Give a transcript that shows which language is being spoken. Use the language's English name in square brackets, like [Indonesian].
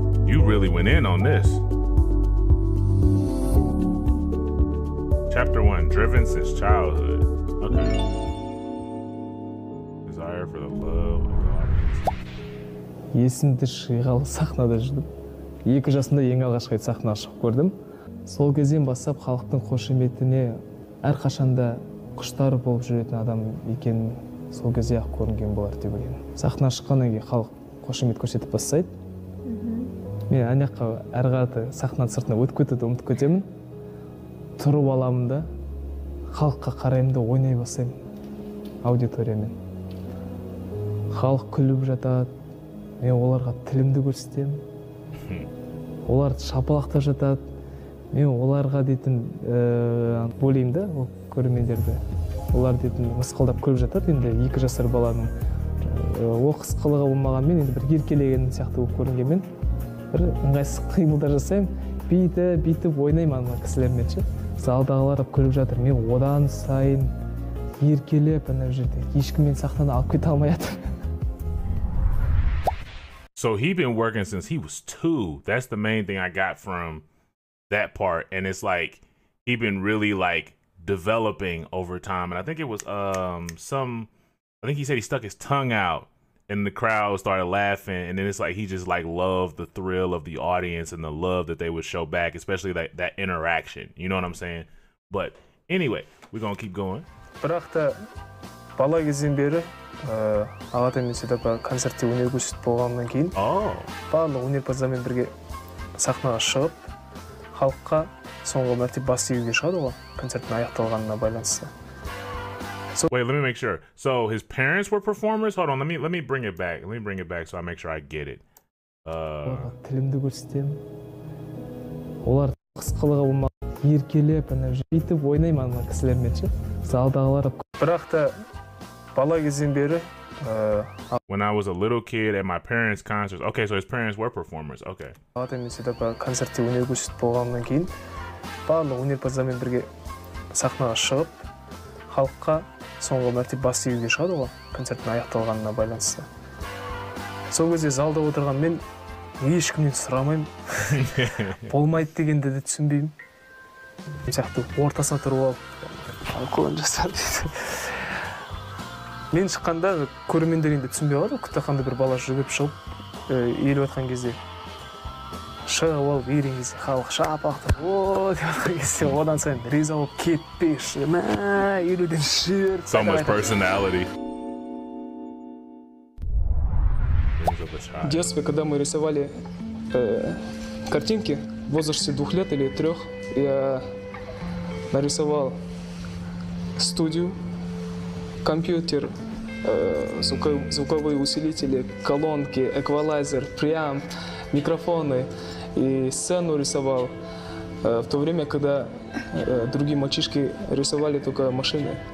[English] You really went in on this. Chapter 1, Driven Since Childhood. Okay. Desire for the love of God. [Kazakh] Есімді шығалы сахнада жүрдім. 2 жасында ең алғаш рет сахнаға шығып көрдім. Сол кезден бастап халықтың қошеметіне әр қашанда құштар болып жүретін адам екенін сол кезде ақ көрінген болар деп ойлаймын. Сахнаға шыққаннан кейін халық қошемет көрсетіп бастайды. Мен ана жаққа әрі қарай сахнаның сыртына өтіп кетуді ұмытып кетемін. Тұрып аламын да халыққа қараймын да ойнай бастаймын аудиториямен. Халық күліп жатады. Мен оларға тілімді көрсетемін. Олар шапалақтап жатады. Мен оларға дейтін бөлеймін да, ол көрермендерді. Олар дейтін мысқылдап көріп жатады, енді 2 жасар баланың оқыс қылығы болмағанмен, енді бір еркелеген сияқты болып көрінгенмен, бір ыңғайсыз қимылдар жасаймын, бүйтіп ойнаймын ана кісілермен ше. Залдағылар көріп жатыр, мен одан сайын еркелеп ана жерде ешкіммен сахнаны алып кете алмай жатырмын. [English] So he been working since he was 2. That's the main thing I got from that part. And it's like he been really like developing over time. And I think it was I think he said he stuck his tongue out and the crowd started laughing. And then it's like he just like loved the thrill of the audience and the love that they would show back, especially like that interaction. You know what I'm saying? But anyway, we're gonna keep going. [Kazakh] Бала кезден бері ағатай мен сетапа концертте өнер көрсетіп болғаннан кейін барлық өнерпаздармен бірге сахнаға шығып халыққа соңғы мәрте бас июге шығады ғой концерттің аяқталғанына байланысты. [English] Wait, let me make sure. So his parents were performers? Hold on, let me bring it back. Let me bring it back so I make sure I get it. [Kazakh] Тілімді көрсетемін. Олар қысқылығы болмаған еркелеп ана жетіп ойнаймын ана кісілермен ше. Залдағылар бірақ та бала кезден бері [English] When I was a little kid at my parents' concerts. Okay, so his parents were performers. Okay. [Kazakh] Ағатай мен сетапа концертте өнер көрсетіп болғаннан кейін барлық өнерпаздармен бірге сахнаға шығып халыққа соңғы мәрте бас июге шығады ғой концерттің аяқталғанына байланысты. Сол кезде залда отырған мен ешкімнен сұрамаймын. Болмайды дегенді де түсінбеймін. Мен сияқты ортасына тұрып алып қолын жасар дейді. Мен шыққанда көрермендер енді түсінбей қалады ғой күтақанда бір бала жүгіріп шығып еліп жатқан кезде шығып алып ерген кезде халық шапақтап о деп жатқан кезде одан сайын риза болып кетпеші мә елуден шер [English] so much personality. [Russian] В детстве, когда мы рисовали картинки, в возрасте 2 лет или 3, я нарисовал студию, компьютер, звуковые усилители, колонки, эквалайзер, преамп, микрофоны и сцену рисовал в то время, когда другие мальчишки рисовали только машины.